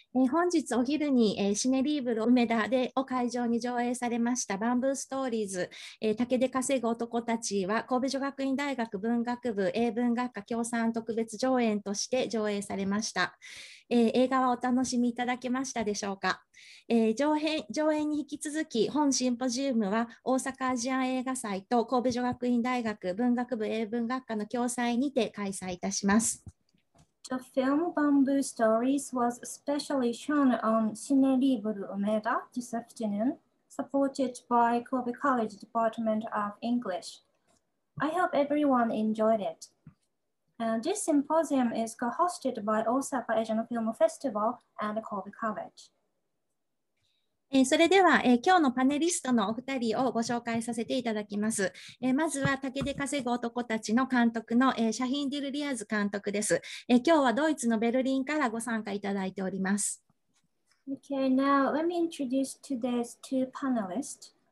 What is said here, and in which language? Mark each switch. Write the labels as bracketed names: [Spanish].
[Japanese] 本日お昼に、シネリーブル梅田でお会場に上映されましたバンブーストーリーズ、竹で稼ぐ男たちは神戸女学院大学文学部英文学科協賛特別上演として上映されました。映画はお楽しみいただけましたでしょうか。上演に引き続き本シンポジウムは大阪アジア映画祭と神戸女学院大学文学部英文学科の共催にて開催いたします。 [English] The film Bamboo Stories was specially shown on Cine Libre Umeda this afternoon, supported by Kobe College Department of English. I hope everyone enjoyed it. This symposium is co-hosted by Osaka Asian Film Festival and Kobe College. [Japanese] それでは、今日のパネリストのお二人をご紹介させていただきます。まずは竹で稼ぐ男たちの監督の、シャヒンディル・リアズ監督です。今日はドイツのベルリンからご参加いただいております。 [English] Okay, now let me introduce today's two panelists.